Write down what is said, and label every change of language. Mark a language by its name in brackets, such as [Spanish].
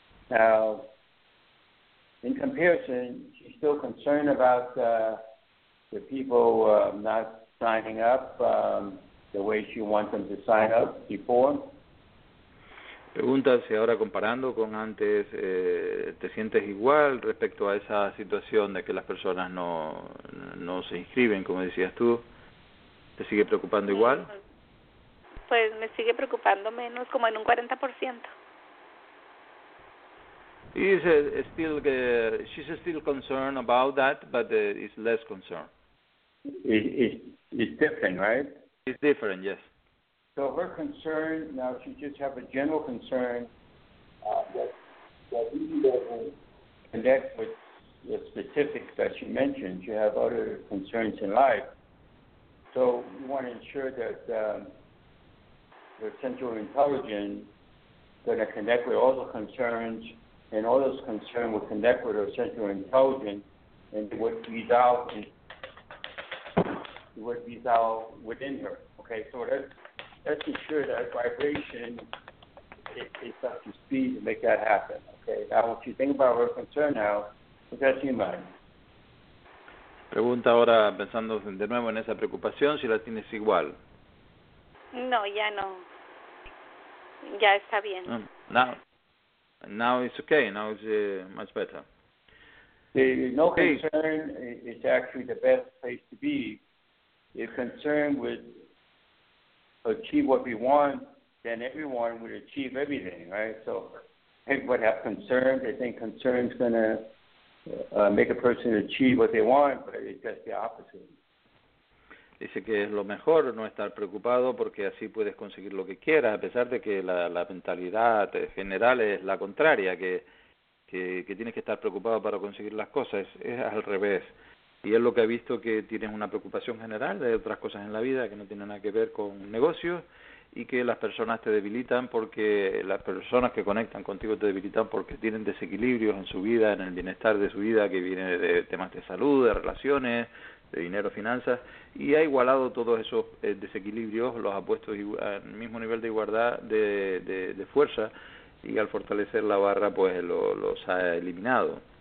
[English] Now, in comparison, she's still concerned about the people not signing up the way she wants them to sign up before. [Spanish] Pregunta si ahora comparando con antes, ¿te sientes igual respecto a esa situación de que las personas no se inscriben, como decías tú? ¿Te sigue preocupando igual? Pues me sigue preocupando menos, como en un 40%. [English] He is still, she's still concerned about that, but it's less concerned. It's different, right? It's different, yes. So her concern, now she just have a general concern that really doesn't connect with the specifics that she mentioned. She have other concerns in life. So we want to ensure that her central intelligence is going to connect with all the concerns, and all those concerns will connect with her central intelligence, and it would resolve within her. Okay, so let's ensure that vibration is up to speed to make that happen. Okay, now what you think about her concern now, what does she mind? [Spanish] Pregunta ahora, pensando de nuevo en esa preocupación, si la tienes igual. No, ya no. Ya está bien. [English] No. Now it's okay. Now it's much better. No concern is actually the best place to be. If concerned would achieve what we want, then everyone would achieve everything, right? So people would have concern. They think concern is going to make a person achieve what they want, but it's just the opposite. [Spanish] Dice que es lo mejor no estar preocupado porque así puedes conseguir lo que quieras, a pesar de que la mentalidad general es la contraria, que tienes que estar preocupado para conseguir las cosas, es al revés. Y es lo que ha visto, que tienes una preocupación general de otras cosas en la vida que no tienen nada que ver con negocios, y que las personas te debilitan porque las personas que conectan contigo te debilitan porque tienen desequilibrios en su vida, en el bienestar de su vida, que viene de temas de salud, de relaciones, de dinero, finanzas, y ha igualado todos esos desequilibrios, los ha puesto al mismo nivel de igualdad de fuerza, y al fortalecer la barra, pues los ha eliminado.